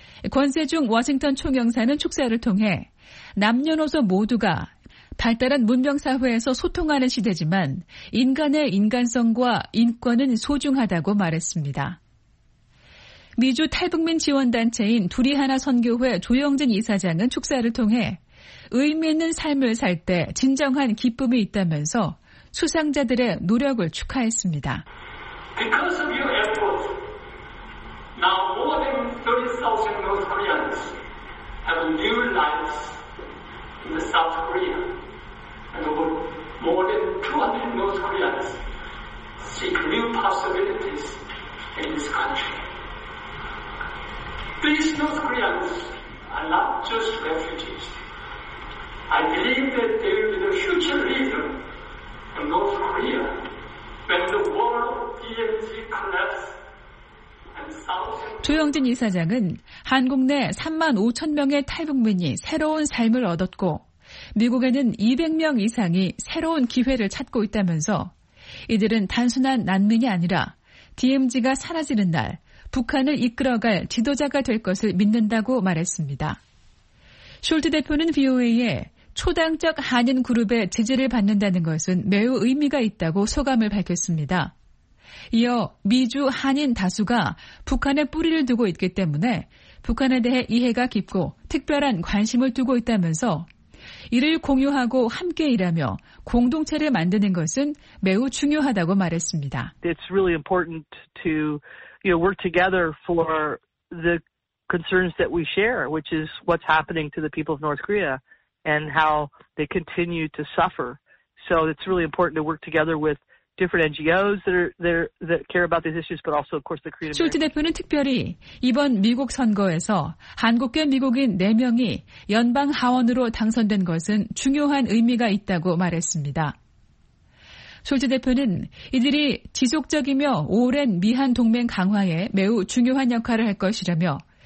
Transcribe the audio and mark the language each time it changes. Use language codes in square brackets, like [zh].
[ko] 권세중 워싱턴 총영사는 축사를 통해 남녀노소 모두가 발달한 문명사회에서 소통하는 시대지만 인간의 인간성과 인권은 소중하다고 말했습니다. 미주 탈북민 지원단체인 둘이하나 선교회 조영진 이사장은 축사를 통해 의미 있는 삶을 살 때 진정한 기쁨이 있다면서 수상자들의 노력을 축하했습니다. [en] Because of your efforts, now more than 30,000 North Koreans have new lives in the South Korea. And more than 200 North Koreans seek new possibilities in this country. These North Koreans are not just refugees. I believe that they will be the future leader of North Korea when the world DMZ collapses. [ko] 조영진 이사장은 한국 내 3만 5천 명의 탈북민이 새로운 삶을 얻었고 미국에는 200명 이상이 새로운 기회를 찾고 있다면서 이들은 단순한 난민이 아니라 DMZ가 사라지는 날 북한을 이끌어갈 지도자가 될 것을 믿는다고 말했습니다. 숄츠 대표는 VOA에 초당적 한인 그룹의 지지를 받는다는 것은 매우 의미가 있다고 소감을 밝혔습니다. 이어 미주 한인 다수가 북한에 뿌리를 두고 있기 때문에 북한에 대해 이해가 깊고 특별한 관심을 두고 있다면서 이를 공유하고 함께 일하며 공동체를 만드는 것은 매우 중요하다고 말했습니다. [en] It's really important to, you know, work together for the concerns that we share, which is what's happening to the people of North Korea and how they continue to suffer. So it's really important to work together with different NGOs that care about these issues, but also, of course, the Korean. [ko] 숄츠 대표는 특별히 이번 미국 선거에서 한국계 미국인 4명이 연방 하원으로 당선된 것은 중요한 의미가 있다고 말했습니다. 숄츠 대표는 이들이 지속적이며 오랜 미한 동맹 강화에 매우 중요한 역할을 할 것이라며